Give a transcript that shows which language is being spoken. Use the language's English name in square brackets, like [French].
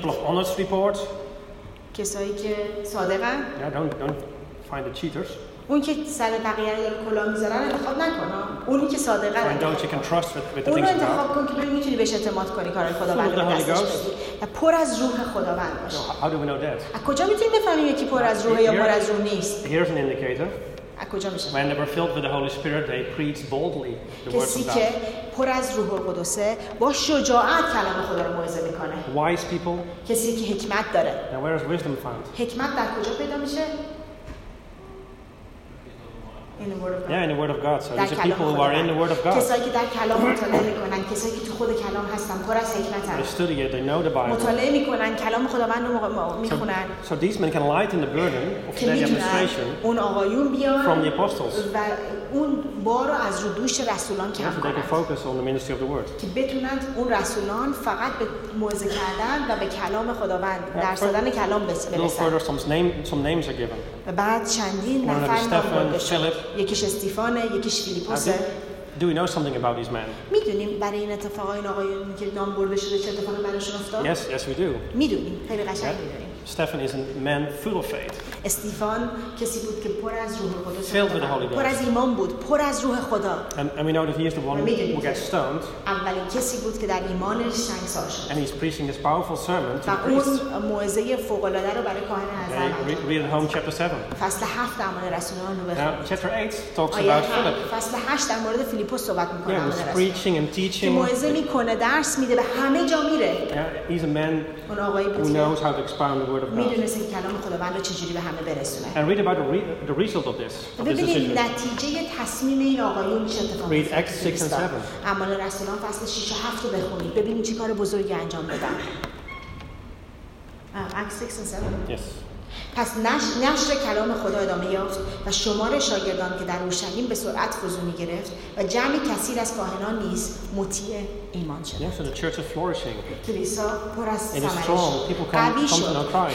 [English] People of honest report. [Persian] کسایی که صادقن. [English] Yeah, don't find the cheaters. [Persian] اون که سر بقیه رو کلا میذارن انتخاب نکنه. اونی که صادقه رو انتخاب کن. اون رو انتخاب کن که ببینی میتونی بهش اعتماد کنی کارهای خداوند رو دستش بدی. و پر از روح خداوند باشه. [English] How do we know that? [Persian] از کجا میتونیم بفهمیم یکی پر از روح یا پر از روح نیست؟ [English] Here's an indicator. [Persian] از کجا میشن؟ [English] When they were filled with the Holy Spirit, they preached boldly the words of God. [Persian] کسی که پر از روح القدسه با شجاعت کلام خدا رو موعظه میکنه. [English] Wise people. [Persian] کسی که حکمت داره. [English] Now where is wisdom found? [Persian] حکمت در کجا پیدا میشه؟ [English] Yeah, in the word of God. So these are people who are in the word of God. [Persian] کسایی که در کلام مطالعه میکنن، کسایی که تو خود کلام هستن، پر از حکمتن. [English] They study it. They know the Bible. [Persian] مطالعه میکنن، کلام خداوند رو میخونن. [English] So these men can lighten the burden of their administration. [Persian] اون آقایون بیان. [English] From the apostles. [Persian] و اون بار رو از رودوش رسولان کم کنن. [English] So they can focus on the ministry of the word. [Persian] که بتونن اون رسولان فقط به موعظه کردن و به کلام خداوند، درس دادن کلام برسن. [English] No further some names are given. [Persian] و بعد چندین نفر نام برده شد. یکیش استیفانه، یکیش فیلیپوسه. [English] Do we know something about these men? [Persian] میدونیم برای این اتفاق این آقایون که نام برده شده چه اتفاقی براشون افتاد؟ [English] Yes, we do. [Persian] میدونیم، خیلی قشنگ میدونیم. [English] Stephen is a man full of faith. [Persian] استیفان کسی بود که پر از روح قدس بود. [English] Filled with the Holy Ghost. [Persian] پر از ایمان بود، پر از روح خدا. [English] And we know that he is the one who gets stoned. [Persian] اولین کسی بود که در ایمانش شنگسار شد. [English] And he's preaching his powerful sermon to the priests. [Persian] و اون موعظه فوق‌العاده رو برای کاهن اعظم. [English] Read home chapter 7. [Persian] فصل 7 در مورد رسولان رو بخونید. [English] Chapter 8 talks about Philip. [Persian] فصل 8 در مورد فیلیپوس صحبت می‌کنه. [English] Yeah, he's preaching and teaching. [Persian] موعظه می‌کنه، درس میده، به همه جا میره. [English] Yeah, he's a man who knows how to expound the word of God. [Persian] می‌دونه که کلام خداوند رو چجوری به همه برسونه. [English] And read about the result of this. [Persian] ببینید نتیجه تصمیم این آقایون چه اتفاقی افتاد. [English] Read Acts 6 and 7. [Persian] اعمال رسولان فصل 6 و 7 رو بخونید. ببینید چه کار بزرگی انجام دادن. [English] Acts 6 and 7. Yes. [Persian] پس نشر کلام خدا ادامه یافت و شمار شاگردان که در اورشلیم به سرعت فزونی می‌گرفت و جمعی کثیر از کاهنان نیز مطیع ایمان شدند. [English] Yes, so the church is flourishing. [Persian] کلیسا پر از ثمر است. [English] People come to know Christ.